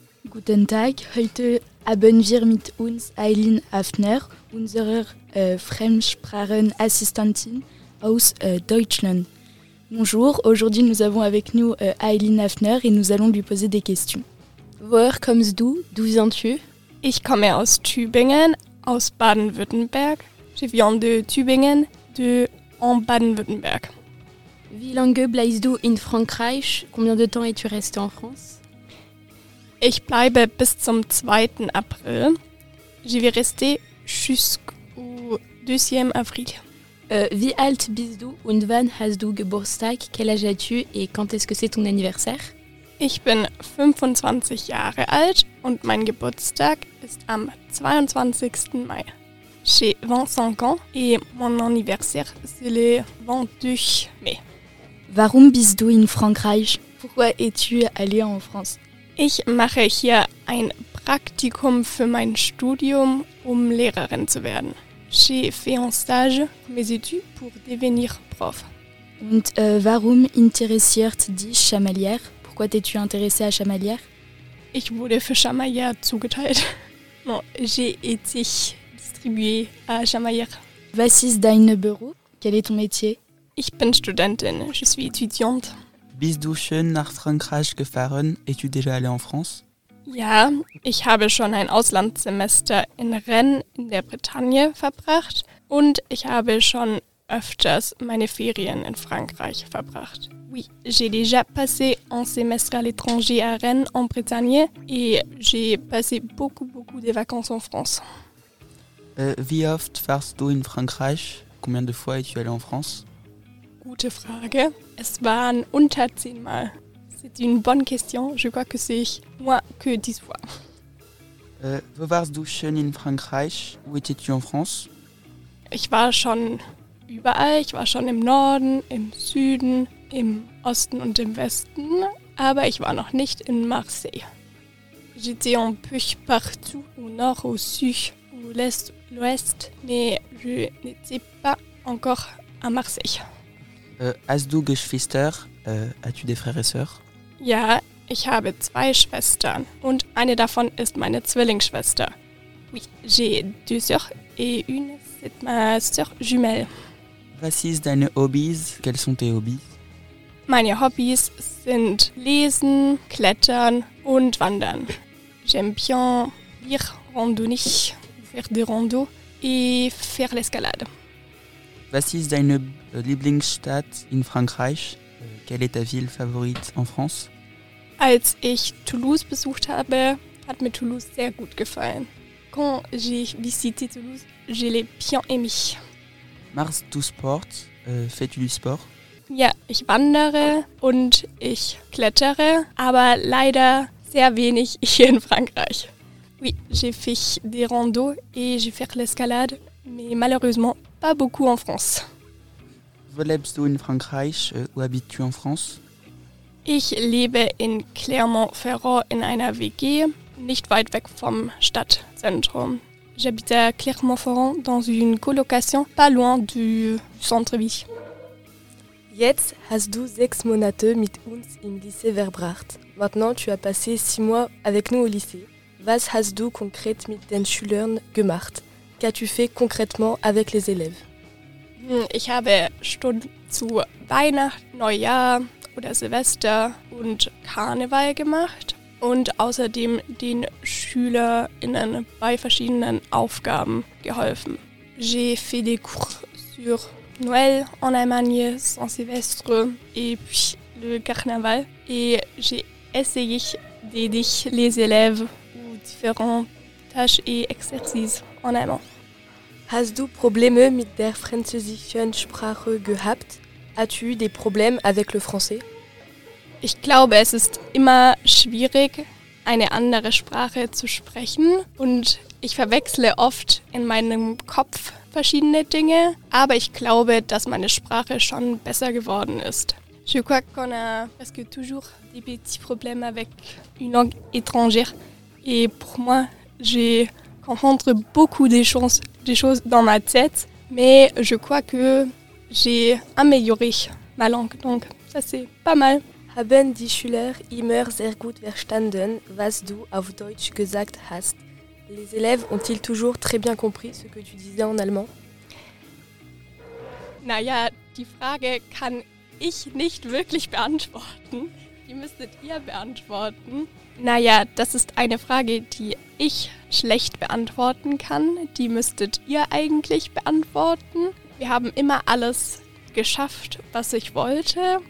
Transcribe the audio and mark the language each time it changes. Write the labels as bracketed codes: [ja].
[de] Guten Tag, heute haben wir mit uns Eileen Hafner, unsere Fremdsprachenassistentin aus Deutschland. [fr] Bonjour, aujourd'hui nous avons avec nous Eileen Hafner et nous allons lui poser des questions. [de] Woher kommst du? [fr] D'où viens-tu? [de] Ich komme aus Tübingen, aus Baden-Württemberg. [fr] Je viens de Tübingen, de en Baden-Württemberg. [de] Wie lange bleibst du in Frankreich? [fr] Combien de temps es-tu resté en France? [de] Ich bleibe bis zum 2. April. [fr] Je vais rester jusqu'au 2. avril. [de] Wie alt bist du und wann hast du Geburtstag? [fr] Quel âge as-tu et quand est-ce que c'est ton anniversaire? [de] Ich bin 25 Jahre alt und mein Geburtstag ist am 22. Mai. [fr] J'ai 25 ans et mon anniversaire c'est le 22 mai. [de] Warum bist du in Frankreich? [fr] Pourquoi es-tu allé en France? [de] Ich mache hier ein Praktikum für mein Studium, um Lehrerin zu werden. [fr] J'ai fait un stage, mes études, pour devenir prof. [de] Und warum interessiert dich Chamalières? [fr] Pourquoi t'es-tu intéressée à Chamalières? [de] Ich wurde für Chamalières zugeteilt. [fr] Non, j'ai été distribuée à Chamalières. [de] Was ist dein Beruf? [fr] Quel est ton métier? [de] Ich bin Studentin, [fr] je suis étudiante. [de] Bist du schon nach Frankreich gefahren? [fr] Es-tu déjà allé en France? [de] Ja, ich habe schon ein Auslandssemester in Rennes in der Bretagne verbracht und ich habe schon öfters meine Ferien in Frankreich verbracht. [fr] Oui, j'ai déjà passé un semestre à l'étranger à Rennes en Bretagne et j'ai passé beaucoup de vacances en France. [de] Wie oft fährst du in Frankreich? [fr] Combien de fois es-tu allé en France? [de] Gute Frage. Es waren unter 10 Mal. [fr] C'est une bonne question. Je crois que c'est moins que 10 fois. [de] Wo warst du schon in Frankreich? [fr] Où étais-tu en France? [de] Ich war schon überall. Ich war schon im Norden, im Süden, im Osten und im Westen. Aber ich war noch nicht in Marseille. [fr] J'étais un peu partout, au nord, au sud, au l'est, l'ouest. Mais je n'étais pas encore à Marseille. [de] Hast du Geschwister? [fr] As-tu des frères et sœurs? [de] Ja, ich habe 2 Schwestern und eine davon ist meine Zwillingsschwester. [fr] Oui, j'ai 2 sœurs et une c'est ma sœur jumelle. [de] Was ist deine Hobbys? [fr] Quels sont tes Hobbys? [de] Meine Hobbys sind lesen, klettern und wandern. [fr] J'aime bien lire, randonner, faire des rando et faire l'escalade. [de] Was ist deine Lieblingsstadt in Frankreich? [fr] Quelle est ta ville favorite en France? [de] Als ich Toulouse besucht habe, hat mir Toulouse sehr gut gefallen. [fr] Quand j'ai visité Toulouse, je l'ai bien aimé. [de] Machst du Sport? [fr] Fais-tu du Sport? [de] Ja, ich wandere und ich klettere, aber leider sehr wenig hier in Frankreich. [fr] Oui, j'ai fait des rando et j'ai fait l'escalade, mais malheureusement pas beaucoup en France. [de] Wo lebst du in Frankreich? [fr] Où habites-tu en France? [de] Ich lebe in Clermont-Ferrand in einer WG, nicht weit weg vom Stadtzentrum. [fr] J'habite à Clermont-Ferrand dans une colocation pas loin du centre-ville. [de] Jetzt hast du 6 Monate mit uns im Lycée verbracht. [fr] Maintenant, tu as passé 6 mois avec nous au lycée. [de] Was hast du konkret mit den Schülern gemacht? [fr] Qu'as-tu fait concrètement avec les élèves? [de] Ich habe Stunden zu Weihnachten, Neujahr oder Silvester und Karneval gemacht und außerdem den SchülerInnen bei verschiedenen Aufgaben geholfen. [fr] J'ai fait des cours sur Noël en Allemagne, Saint-Sylvestre et puis le Carnaval. Et j'ai essayé d'aider les élèves aux différentes tâches et exercices en allemand. [de] Hast du Probleme mit der französischen Sprache gehabt? [fr] As-tu eu des problèmes avec le français? [de] Ich glaube, es ist immer schwierig, eine andere Sprache zu sprechen. Und ich verwechsle oft in meinem Kopf verschiedene Dinge. Aber ich glaube, dass meine Sprache schon besser geworden ist. [fr] Je crois qu'on a presque toujours des petits problèmes avec une langue étrangère. Et pour moi, j'ai comprendre beaucoup des choses dans ma tête, mais je crois que j'ai amélioré ma langue, donc ça c'est pas mal. [de] haben die Schüler immer sehr gut verstanden, was du auf Deutsch gesagt hast. [fr] Les élèves ont-ils toujours très bien compris ce que tu disais en allemand? [de] Naja, die Frage kann ich nicht wirklich beantworten. Die müsstet ihr beantworten. Naja, das ist eine Frage, die ich schlecht beantworten kann. Die müsstet ihr eigentlich beantworten. Wir haben immer alles geschafft, was ich wollte.